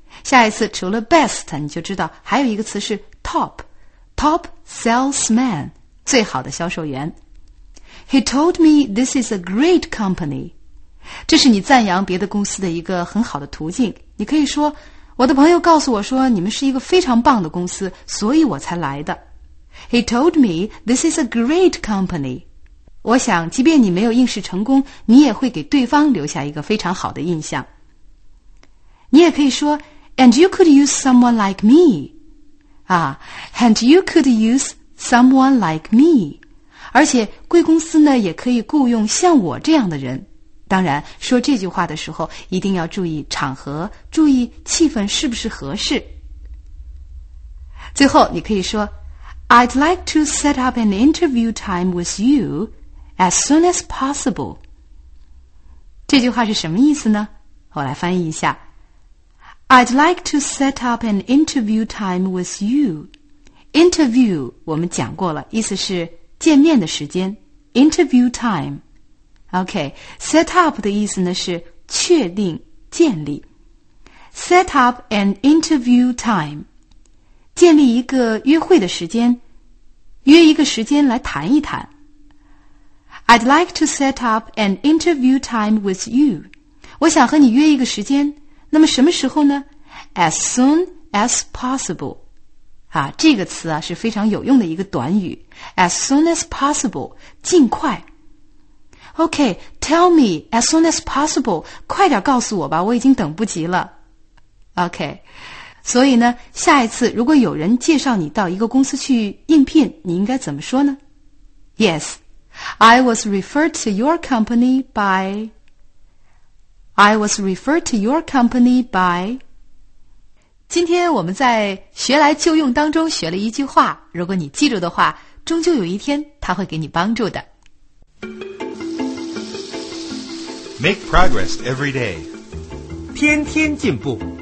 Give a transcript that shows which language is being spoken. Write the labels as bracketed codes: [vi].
[zh] 下一次除了 best， 你就知道还有一个词是 top salesman， 最好的销售员。 [en] He told me this is a great company， [zh] 这是你赞扬别的公司的一个很好的途径。你可以说，我的朋友告诉我说你们是一个非常棒的公司，所以我才来的。 [en] He told me this is a great company。 [zh] 我想即便你没有应试成功，你也会给对方留下一个非常好的印象。你也可以说 [en] And you could use someone like me. And you could use someone like me. [zh] 而且贵公司呢也可以雇用像我这样的人。当然说这句话的时候一定要注意场合，注意气氛是不是合适。最后你可以说 [en] I'd like to set up an interview time with you as soon as possible. [zh] 这句话是什么意思呢？我来翻译一下。 [en] I'd like to set up an interview time with you. [zh] Interview 我们讲过了，意思是见面的时间。 [en] Interview time. OK, set up [zh] 的意思呢是确定、建立。 [en] Set up an interview time. [zh] 建立一个约会的时间，约一个时间来谈一谈。 [en] I'd like to set up an interview time with you. [zh] 我想和你约一个时间。那么什么时候呢？ [en] As soon as possible. [zh] 啊，这个词啊是非常有用的一个短语。 [en] As soon as possible, [zh] 尽快。 [en] OK, tell me as soon as possible, [zh] 快点告诉我吧，我已经等不及了。 OK, 所以呢，下一次如果有人介绍你到一个公司去应聘，你应该怎么说呢？ [en] Yes, I was referred to your company by... I was referred to your company by... [zh] 今天我们在学来就用当中学了一句话，如果你记住的话，终究有一天它会给你帮助的。 [en] Make progress every day. [zh] 天天进步。